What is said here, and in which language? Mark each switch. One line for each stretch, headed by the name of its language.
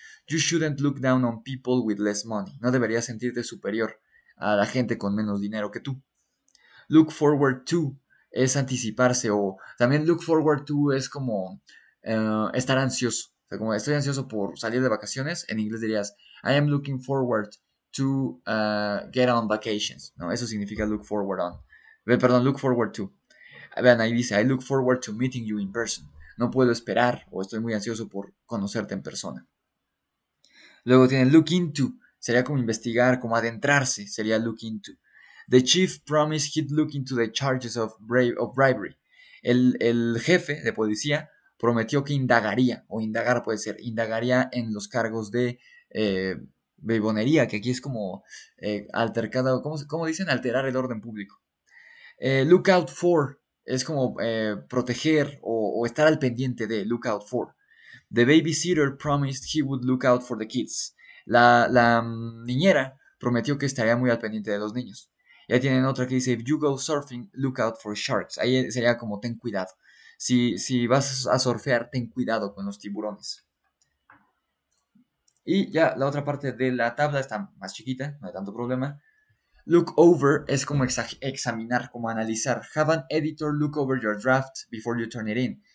English: You shouldn't look down on people with less money.
Spanish: No deberías sentirte superior a la gente con menos dinero que tú. Look forward to es anticiparse. O también look forward to es como estar ansioso. O sea, como estoy ansioso por salir de vacaciones. En inglés dirías,
English: I am looking forward to get on vacations.
Spanish: No, eso significa
English: look forward on. Perdón, look forward to.
Spanish: Vean, ahí dice,
English: I look forward to meeting you in person.
Spanish: No puedo esperar o estoy muy ansioso por conocerte en persona. Luego tiene look into. Sería como investigar, como adentrarse. Sería look into.
English: The chief promised he'd look into the charges of bribery.
Spanish: El jefe de policía prometió que indagaría, o indagar puede ser, indagaría en los cargos de bribonería, que aquí es como altercado, ¿cómo dicen? Alterar el orden público. Look out for es como proteger o estar al pendiente de, look out for.
English: The babysitter promised he would look out for the kids.
Spanish: La niñera prometió que estaría muy al pendiente de los niños. Ya tienen otra que dice,
English: if you go surfing, look out for sharks.
Spanish: Ahí sería como, ten cuidado. Si vas a surfear, ten cuidado con los tiburones. Y ya, la otra parte de la tabla está más chiquita, no hay tanto problema. Look over es como examinar, como analizar.
English: Have an editor look over your draft before you turn it in.